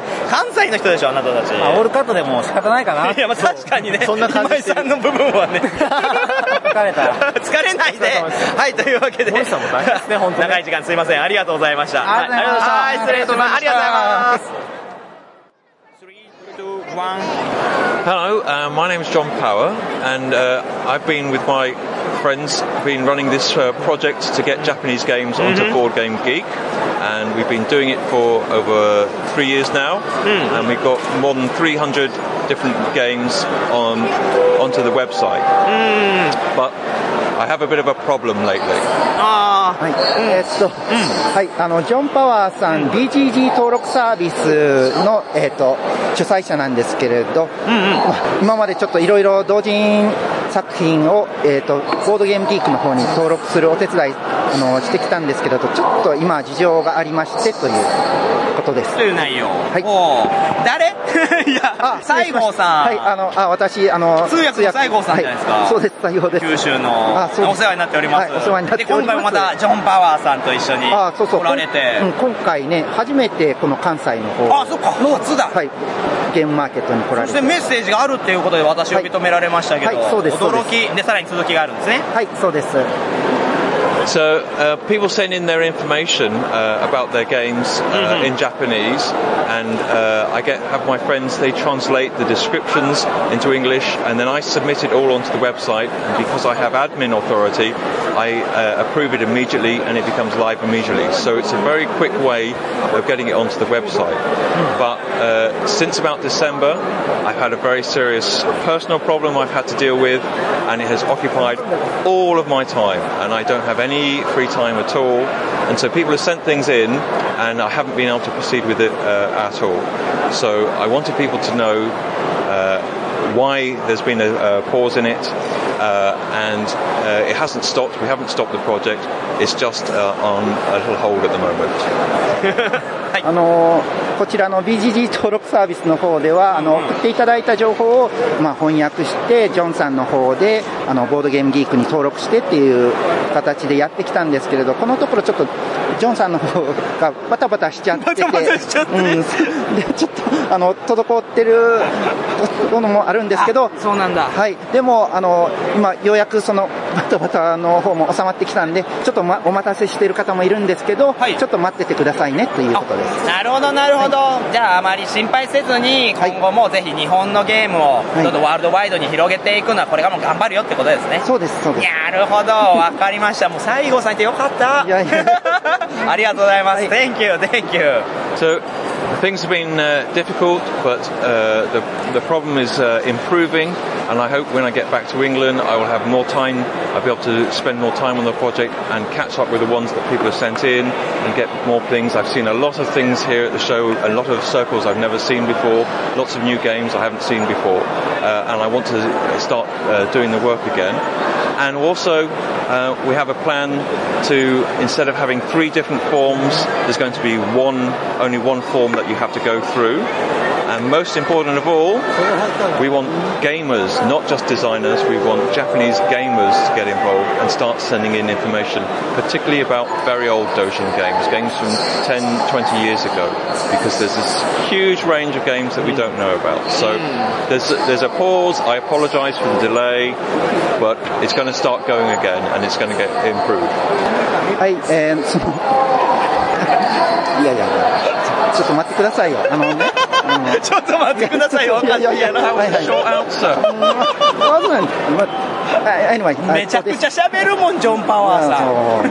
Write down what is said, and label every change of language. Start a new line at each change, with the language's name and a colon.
Japanese: 関西の人でしょ、あなたたち。まあ、オールカットでも仕方ないかな。いや、まあ、確かにね。そんな感じ。今井さんの部分はね。疲れた。疲れないで。はい、というわけで。森さんも大変ですね、本当に。長い時間すいません。ありがとうございました。ありがとうございました。はい、失礼しますありがとうございます。
English: Hello, my name is John Power, and I've been with my friends, been running this project to get Japanese games onto Board Game Geek, and we've been doing it for over 3 years now, and we've got more than 300 different games onto the website. But I have a bit of a problem lately.
Japanese: はい、はい、あのジョン・パワーさん、BGG 登録サービスの、主催者なんですけれど、今までちょっといろいろ同人作品を、ボードゲームギークの方に登録するお手伝いしてきたんですけれど、ちょっと今事情がありましてということです。という内容、はい、お誰いや、あ、西郷さん、はい、私通訳の西郷さんじゃないですか、はい、そうです、西郷です、九州の、あ、そうです、お世話になっております、はい、お世話になっております。で、今回もまたジョン・パワーさんと一緒に来られて、そうそう、うん、今回ね、初めてこの関西の方、あ、そっか、夏だ、はい、ゲームマーケットに来られて、そしてメッセージがあるっていうことで私を認められましたけど、はいはい、そうです、驚きで、さらに続きがあるんですね、はい、そうです。
English: So people send in their information about their games in Japanese, and I get have my friends, they translate the descriptions into English, and then I submit it all onto the website, and because I have admin authority, I approve it immediately, and it becomes live immediately. So it's a very quick way of getting it onto the website. But since about December, I've had a very serious personal problem I've had to deal with, and it has occupied all of my time, and I don't have any free time at all. And so people have sent things in, and I haven't been able to proceed with it at all. So I wanted people to know why there's been a pause in it, and it hasn't stopped. We haven't stopped the project. It's just on a little hold at the moment.
Japanese: あのこちらの BGG 登録サービスの方ではあの送っていただいた情報を、まあ、翻訳してジョンさんの方であのボードゲームギークに登録してっていう形でやってきたんですけれど、このところちょっとジョンさんの方がバタバタしちゃってて、バタバタしちゃって、うん、でちょっとあの滞ってるものもあるんですけど、そうなんだ、はい、でもあの今ようやくそのバタバタの方も収まってきたんで、ちょっと、ま、お待たせしている方もいるんですけど、はい、ちょっと待っててくださいねということです。なるほどなるほど、はい、じゃああまり心配せずに今後もぜひ日本のゲームをちょっとワールドワイドに広げていくのはこれからも頑張るよってことですね、はい、そうですそうです。なるほど、わかりました。もう西郷さんいてよかった。いやいやありがとうございます、はい、
English: Thank you Thank you。 So things have been difficult, but the problem is improving, and I hope when I get back to England I will have more time, I'll be able to spend more time on the project and catch up with the ones that people have sent in and get more things. I've seen a lot of things here at the show, a lot of circles I've never seen before, lots of new games I haven't seen before, and I want to start doing the work again. And also we have a plan to, instead of having three different forms, there's going to be one, only one form that you have to go through. And most important of all, we want gamers, not just designers, we want Japanese gamers to get involved and start sending in information, particularly about very old doujin games, games from 10, 20 years ago, because there's this huge range of games that we don't know about. So there's a pause, I apologize for the delay, but it's going to start going again and it's going to get improved.
Japanese: はい、いやいや、ちょっと待ってくださいよ。あのね、ちょっと待ってくださいよ。いやいやいや、ショートアンサー。まずね、anyway、めちゃくちゃ喋るもんジョンパワーさん。